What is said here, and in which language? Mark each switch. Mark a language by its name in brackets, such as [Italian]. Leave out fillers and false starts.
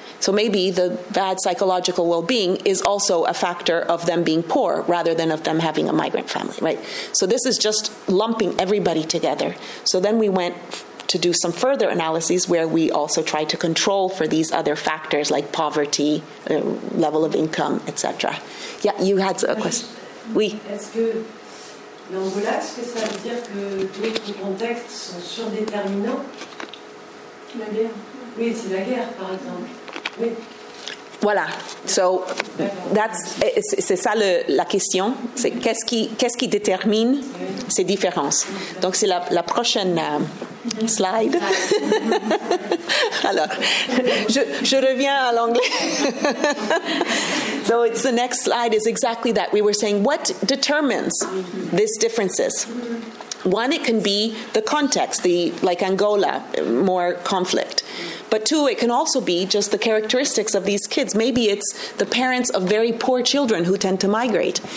[English] So maybe the bad psychological well-being is also a factor of them being poor rather than of them having a migrant family, right? So this is just lumping everybody together. So then we went to do some further analyses where we also try to control for these other factors like poverty, level of income, etc. Yeah, you had a question. Oui. [French] L'envolade, est-ce que ça veut dire que tous les contextes sont surdéterminants? La guerre. Oui, c'est la guerre, par exemple. Oui. Voilà. [English] So that's [French] c'est ça la question. C'est qu'est-ce qui détermine ces différences. Donc c'est la prochaine slide. Alors je reviens à l'anglais. [English] So it's the next slide is exactly that we were saying. What determines these differences? One, it can be the context, like Angola, more conflict. But two, it can also be just the characteristics of these kids. Maybe it's the parents of very poor children who tend to migrate.